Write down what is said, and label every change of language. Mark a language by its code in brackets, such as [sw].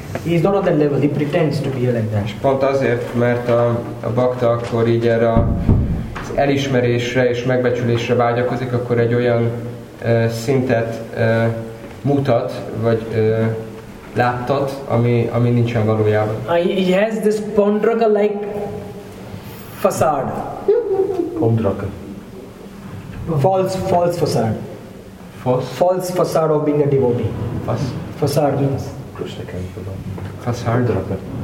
[en] He is not on that level, he pretends to behave like that. [hu] És pont azért, mert a bhakta akkor így erre az elismerésre és megbecsülésre vágyakozik, akkor egy olyan szintet mutat, vagy láttat, ami nincsen valójában. [en] He has this pondraka-like facade. Pondraka. False facade. False facade of being a devotee. Facade means? Krishna Kanchana. Facade.